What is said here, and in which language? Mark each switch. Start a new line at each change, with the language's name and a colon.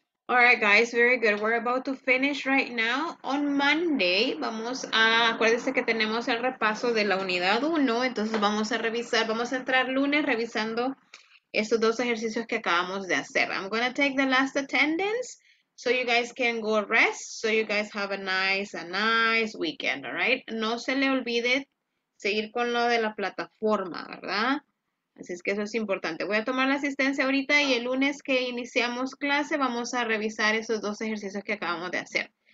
English: All right, guys, very good. We're about to finish right now. On Monday,
Spanish: vamos a, acuérdense que tenemos el repaso de la unidad 1, entonces vamos a revisar, vamos a entrar lunes revisando estos dos ejercicios que acabamos de hacer.
English: I'm going to take the last attendance so you guys can go rest, so you guys have a nice weekend, all right?
Spanish: No se le olvide seguir con lo de la plataforma, ¿verdad? Así es que eso es importante. Voy a tomar la asistencia ahorita y el lunes que iniciamos clase vamos a revisar esos dos ejercicios que acabamos de hacer.